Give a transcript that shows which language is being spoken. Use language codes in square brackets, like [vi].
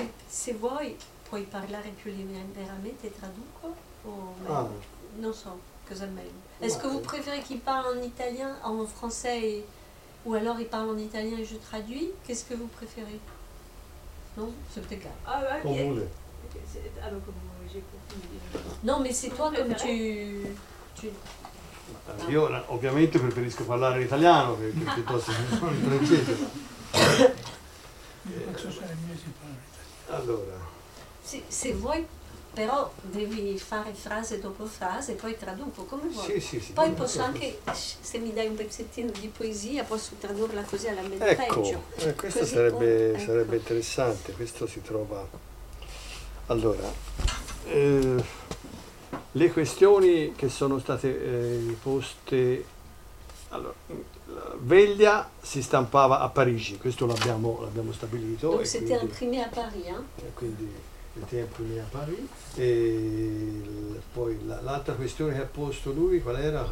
[it] Se vuoi puoi parlare più liberamente e traduco o meglio? Ah. Non so cosa meglio. [fr] Est-ce que vous préférez qu'il parle en italien, en français et, ou alors il parle en italien et je traduis? Qu'est-ce que vous préférez? Non, c'est peut-être clair. Ah ouais, comme vous voulez. Alors comme vous voulez, j'ai compris. Non, mais c'est toi comme tu... Ah. [it] Io ovviamente preferisco parlare l'italiano che piuttosto che il francese. Allora. Se vuoi, però devi fare frase dopo frase e poi traduco come vuoi. Sì, sì, sì. Poi posso anche, se mi dai un pezzettino di poesia, posso tradurla così alla meglio. Ecco, questo così sarebbe, ecco, sarebbe interessante. Questo si trova. Allora, le questioni che sono state poste. Allora, Veglia si stampava a Parigi, questo l'abbiamo stabilito. [fr] Donc, c'était quindi, imprimé à Paris. Hein? [it] E quindi [fr] était imprimé à Paris. [it] E poi l'altra questione che ha posto lui, qual era?